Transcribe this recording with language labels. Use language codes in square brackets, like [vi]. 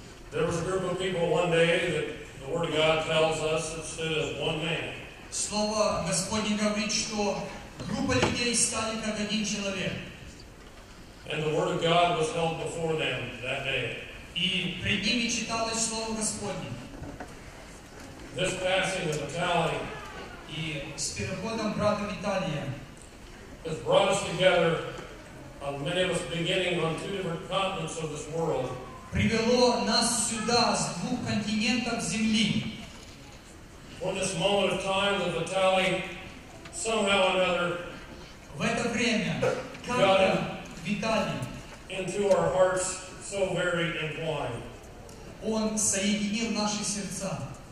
[en] There was a group of people one day that the Word of God tells us that stood as one man. [ru] Слово Господне говорит, что группа людей стали как один человек. [en] And the Word of God was held before them that day. [ru] И пред ними читалось слово Господне. [en] This passing of Vitaly. [ru] И с переходом брата Виталия. [en] Has brought us together, many of us beginning on two different continents of this world. [ru] Привело нас сюда с двух континентов земли. [en] For this moment of time, that Vitaly somehow or another. [ru] В это время, как-то Виталий. [en] Into our hearts, so very entwined. [ru] Он соединил наши сердца.